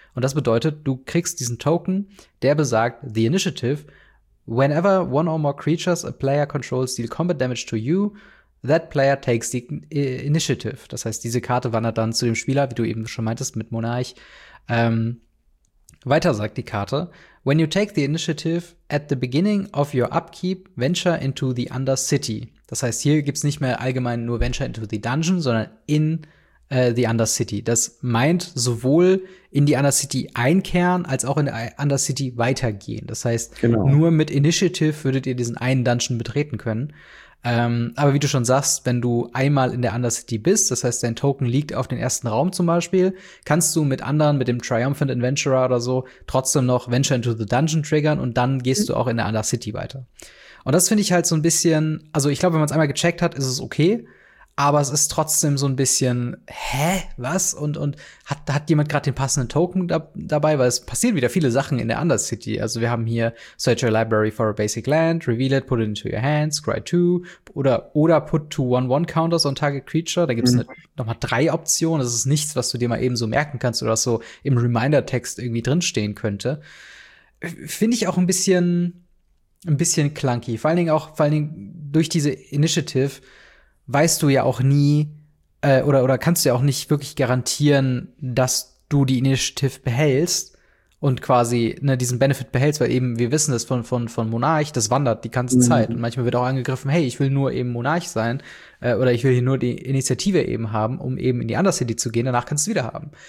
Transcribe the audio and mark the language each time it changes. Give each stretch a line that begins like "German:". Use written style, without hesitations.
German: Und das bedeutet, du kriegst diesen Token, der besagt, the initiative, whenever one or more creatures a player controls deal combat damage to you, that player takes the initiative. Das heißt, diese Karte wandert dann zu dem Spieler, wie du eben schon meintest, mit Monarch. Weiter sagt die Karte.
English: When you take the initiative at the beginning of your upkeep, venture into the Undercity.
German: Das heißt, hier gibt's nicht mehr allgemein nur
English: venture into the dungeon,
German: sondern
English: in the Undercity.
German: Das meint sowohl in die Undercity einkehren, als auch in die Undercity weitergehen. Das heißt, nur mit Initiative würdet ihr diesen einen Dungeon betreten können. Aber wie du schon sagst, wenn du einmal in der Undercity bist, das heißt, dein Token liegt auf den ersten Raum zum Beispiel, kannst du mit anderen, mit dem Triumphant Adventurer oder so, trotzdem noch
English: Venture into the Dungeon
German: triggern und dann gehst du auch in der Undercity weiter. Und das finde ich halt so ein bisschen, also ich glaube, wenn man es einmal gecheckt hat, ist es okay, aber es ist trotzdem so ein bisschen, hä, was? Und hat jemand gerade den passenden Token dabei? Weil es passieren wieder viele Sachen in der Undercity. Also wir haben hier
English: Search your library for a basic land, reveal it, put it into your hand, scry two.
German: Oder
English: put two 1-1 counters on target creature.
German: Da gibt es noch mal drei Optionen. Das ist nichts, was du dir mal eben so merken kannst oder so im Reminder-Text irgendwie drinstehen könnte. Finde ich auch ein bisschen clunky. Vor allen Dingen durch diese Initiative weißt du ja auch nie oder kannst du ja auch nicht wirklich garantieren, dass du die Initiative behältst und quasi ne, diesen Benefit behältst, weil eben wir wissen das von Monarch, das wandert die ganze Zeit und manchmal wird auch angegriffen, hey, ich will nur eben Monarch sein oder ich will hier nur die Initiative eben haben, um eben in die Undercity zu gehen, danach kannst du wieder haben.